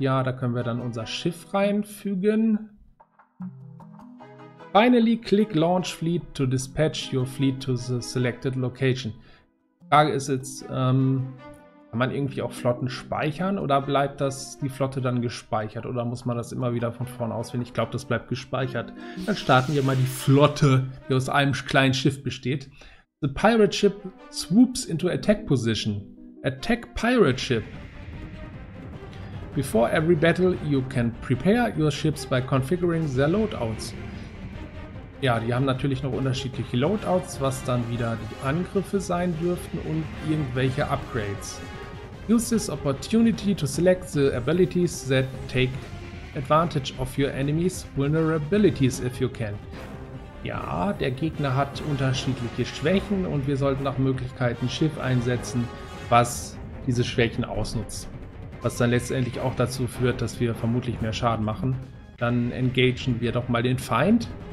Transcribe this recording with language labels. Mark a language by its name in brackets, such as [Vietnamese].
[German] Ja, da können wir dann unser Schiff reinfügen. [English] Finally, click launch fleet to dispatch your fleet to the selected location. [German] Die Frage ist jetzt, kann man irgendwie auch Flotten speichern oder bleibt das die Flotte dann gespeichert oder muss man das immer wieder von vorn auswählen? Ich glaube, das bleibt gespeichert. Dann starten wir mal die Flotte, die aus einem kleinen Schiff besteht. [English] The pirate ship swoops into attack position. Attack pirate ship. Before every battle, you can prepare your ships by configuring their loadouts. [German] Ja, die haben natürlich noch unterschiedliche Loadouts, was dann wieder die Angriffe sein dürften und irgendwelche Upgrades. [English] Use this opportunity to select the abilities that take advantage of your enemy's vulnerabilities if you can. [German] Ja, der Gegner hat unterschiedliche Schwächen und wir sollten nach Möglichkeit ein Schiff einsetzen, was diese Schwächen ausnutzt. Was dann letztendlich auch dazu führt, dass wir vermutlich mehr Schaden machen. Dann engagen wir doch mal den Feind.